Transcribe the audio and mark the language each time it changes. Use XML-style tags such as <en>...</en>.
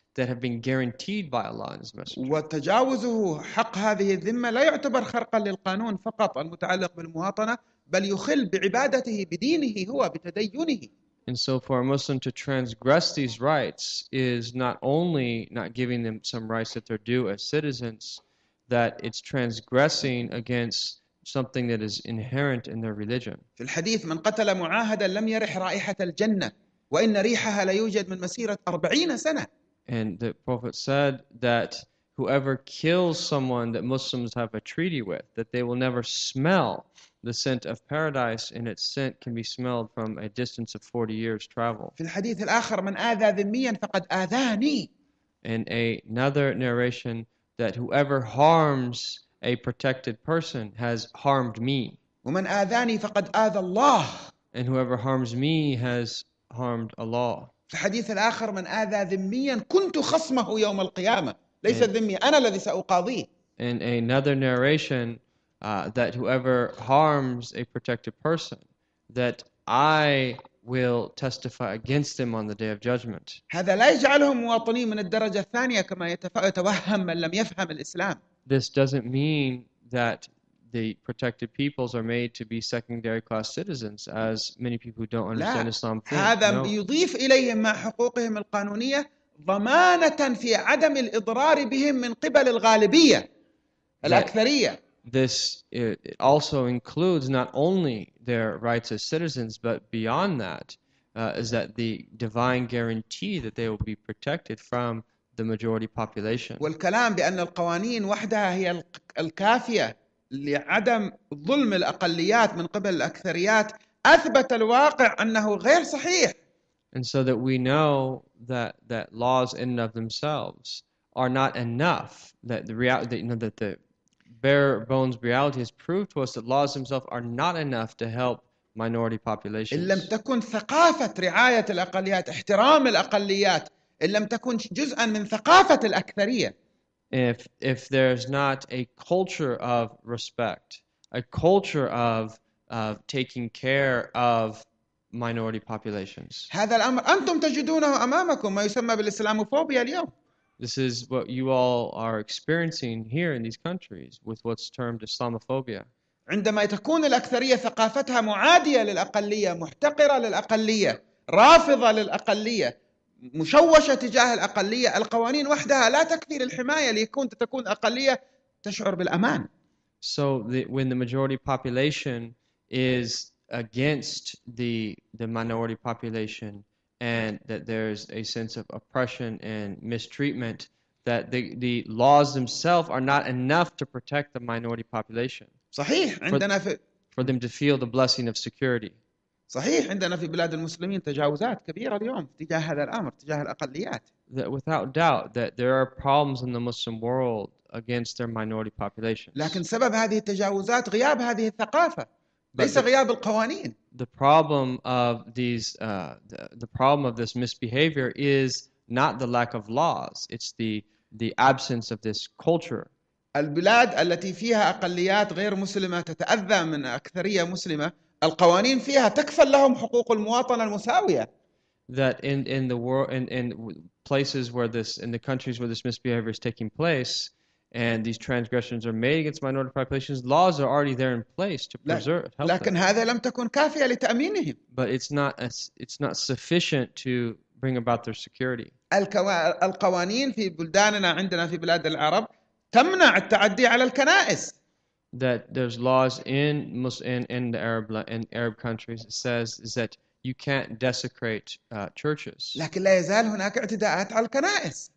<en>that have been guaranteed by Allah and His Messenger.</en> <ar>وتجاوزه حق هذه الذمة لا يعتبر خرقا للقانون فقط المتعلق بالمواطنة بل يخل بعبادته بدينه هو بتدينه.</ar> <en>And so for a Muslim to transgress these rights is not only not giving them some rights that they're due as citizens, that it's transgressing against something that is inherent in their religion.</en> <ar>في الحديث من قتل معاهدا لم يرح رائحة الجنة وإن ريحها لا يوجد من مسيرة 40 سنة.</ar> <en>And the Prophet said that whoever kills someone that Muslims have a treaty with, that they will never smell the scent of paradise, and its scent can be smelled from a distance of 40 years' travel.</en> <ar>في الحديث الآخر من آذى ذميا فقد آذاني.</ar> <en>In another narration, that whoever harms a protected person has harmed me.</en> <ar>ومن آذاني فقد آذى الله.</ar> <en>And whoever harms me has harmed Allah.</en> <ar>في الحديث الآخر من آذى ذميا كنت خصمه يوم القيامة. ليس ذمي أنا الذي سأقاضيه.</ar> <en>In another narration, that whoever harms a protected person, that I will testify against them on the day of judgment.</en> <ar>هذا لا يجعلهم مواطنين من الدرجة الثانية كما يتوهم من لم يفهم الإسلام.</ar> <en>This doesn't mean that the protected peoples are made to be secondary class citizens, as many people who don't understand Islam think.</en> <ar>هذا يضيف إليهم مع حقوقهم القانونية ضمانة في عدم الإضرار بهم من قبل الغالبية الأكثرية.</ar> <en>This it also includes not only their rights as citizens, but beyond that, is that the divine guarantee that they will be protected from the majority population.</en> <ar>والكلام بأن القوانين وحدها هي الكافية لعدم ظلم الأقليات من قبل الأكثريات أثبت الواقع أنه غير صحيح.</ar> <en>And so that we know that laws in and of themselves are not enough, that the reality, that, you know, that the bare bones reality has proved to us that laws themselves are not enough to help minority populations.</en> <ar>إن لم تكن ثقافة رعاية الأقليات احترام الأقليات إن لم تكن جزءا من ثقافة الأكثرية.</ar> <en>If there's not a culture of respect, a culture of taking care of minority populations.</en> <ar>هذا الأمر أنتم تجدونه أمامكم ما يسمى بالإسلاموفوبيا اليوم.</ar> <en>This is what you all are experiencing here in these countries with what's termed Islamophobia.</en> <ar>عندما تكون الأكثرية ثقافتها معادية للأقلية، محتقرة للأقلية، رافضة للأقلية، مشوشة تجاه الأقلية، القوانين وحدها لا تكفي للحماية ليكون تكون أقلية تشعر بالأمان.</ar> <en>So when the majority population is against the minority population and that there's a sense of oppression and mistreatment, that the laws themselves are not enough to protect the minority population.</en> <ar>صحيح عندنا في</ar> <en>for them to feel the blessing of security.</en> <ar>صحيح عندنا في بلاد المسلمين تجاوزات كبيرة اليوم تجاه هذا الأمر تجاه الأقليات.</ar> <en>That without doubt that there are problems in the Muslim world against their minority populations.</en> <ar>لكن سبب هذه التجاوزات غياب هذه الثقافة. ليس غياب القوانين.</ar> <en>The problem of these the problem of this misbehavior is not the lack of laws, it's the absence of this culture.</en> <ar>البلاد التي فيها أقليات غير مسلمة تتأذى من أكثرية مسلمة القوانين فيها تكفل لهم حقوق المواطنة المساوية.</ar> <en>That in the world in places where this in the countries where this misbehavior is taking place and these transgressions are made against minority populations, laws are already there in place to preserve, help</en> <ar>لكن</ar> <en>them.</en> <ar>هذا لم تكن كافية لتأمينهم.</ar> <en>But it's not sufficient to bring about their security.</en> <ar>القوانين في بلداننا عندنا في بلاد العرب تمنع التعدي على الكنائس.</ar> <en>That there's laws in Arab countries that says is that you can't desecrate churches.</en> <ar>لكن لا يزال هناك اعتداءات على الكنائس.</ar>